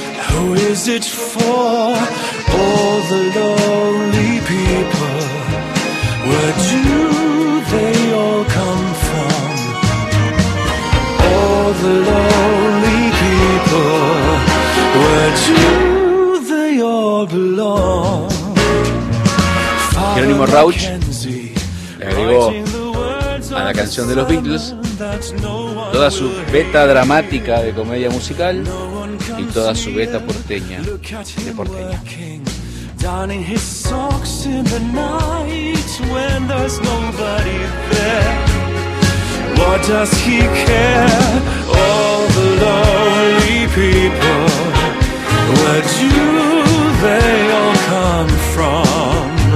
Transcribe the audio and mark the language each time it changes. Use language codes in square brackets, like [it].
[en] Who is it for? All the lonely people, where do they all come from? All the lonely people, where do they all belong? [es] Jerónimo Rauch le agregó a la canción de los Beatles toda su beta dramática de comedia musical y toda su beta porteña de porteña. [en] Donning his socks in the night when there's nobody there. What does he care? All the lonely people, where do they all come from?